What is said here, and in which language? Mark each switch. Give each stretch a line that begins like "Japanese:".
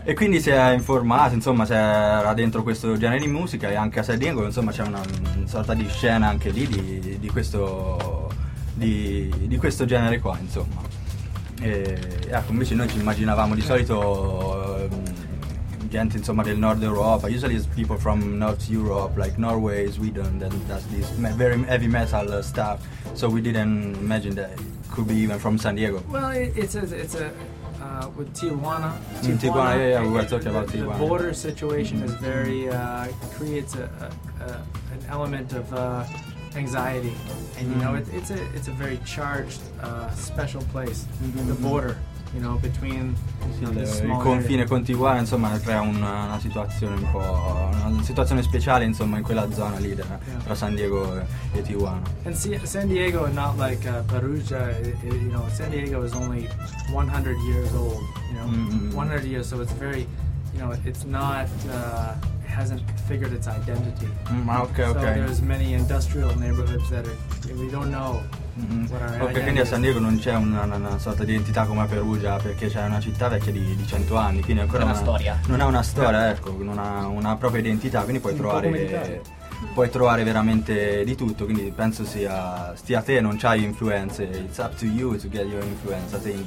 Italian: E quindi si è informato, insomma, si era dentro questo genere di musica, e anche a San Diego, insomma, c'è una sorta di scena anche lì di questo... Di questo genere qua, insomma. E ecco, invece noi ci immaginavamo di solito gente, insomma, del nord Europa.
English: Usually it's people from north Europe, like Norway, Sweden, that does this very heavy metal stuff. So we didn't imagine that it could be even from San Diego. Well, it's with Tijuana. Tijuana, yeah, we were talking about the Tijuana. The border situation is very, creates an element of anxiety, and it's a very charged special place, the border, between
Italian: il confine con Tijuana, insomma, crea una situazione un po', una situazione speciale, insomma, in quella zona lì tra San Diego e Tijuana.
English: And San Diego is not like Perugia, San Diego is only 100 years old, 100 years, so it's very, it's not hasn't figured its identity. Okay. So there's many industrial neighborhoods that we don't know what our identity.
Italian: Quindi a San Diego non c'è una sorta di identità come a Perugia, perché c'è una città vecchia di 100 anni, quindi ancora una storia. Non ha una storia, ecco, non ha una propria identità, quindi puoi trovare veramente di tutto, quindi penso stia a te, non c'hai influenze.
English: It's up to you to get your influence, I think.